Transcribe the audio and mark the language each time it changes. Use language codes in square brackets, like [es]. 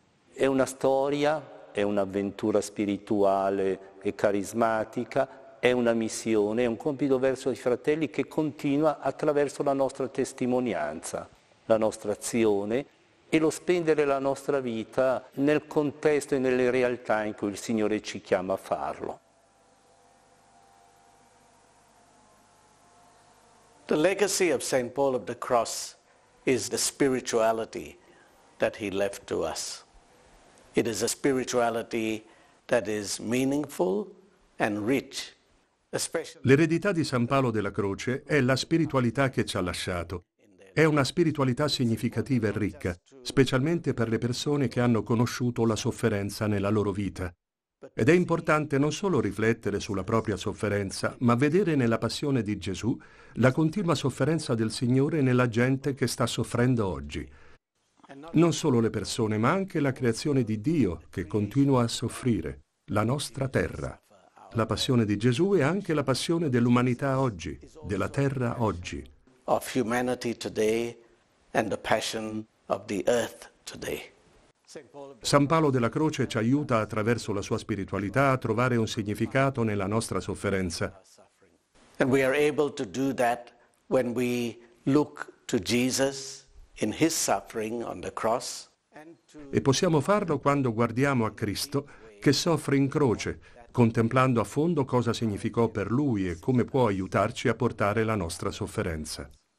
[it] È una storia, è un'avventura spirituale e carismatica, è una missione, è un compito verso i fratelli che continua attraverso la nostra testimonianza, la nostra azione e lo spendere la nostra vita nel contesto e nelle realtà in cui il Signore ci chiama a farlo. [en] The legacy of Saint Paul of the Cross is the spirituality that he left to us. It is a spirituality that is meaningful and rich. [it] L'eredità di San Paolo della Croce è la spiritualità che ci ha lasciato. È una spiritualità significativa e ricca, specialmente per le persone che hanno conosciuto la sofferenza nella loro vita. Ed è importante non solo riflettere sulla propria sofferenza, ma vedere nella passione di Gesù la continua sofferenza del Signore nella gente che sta soffrendo oggi. Non solo le persone, ma anche la creazione di Dio che continua a soffrire, la nostra terra. La passione di Gesù è anche la passione dell'umanità oggi, della terra oggi. [en] Of humanity today and the passion of the earth today. [it] San Paolo della Croce ci aiuta attraverso la sua spiritualità a trovare un significato nella nostra sofferenza. [en] And we are able to do that when we look to Jesus in his suffering on the cross. [it] E possiamo farlo quando guardiamo a Cristo che soffre in croce, contemplando a fondo cosa significò per lui e come può aiutarci a portare la nostra sofferenza.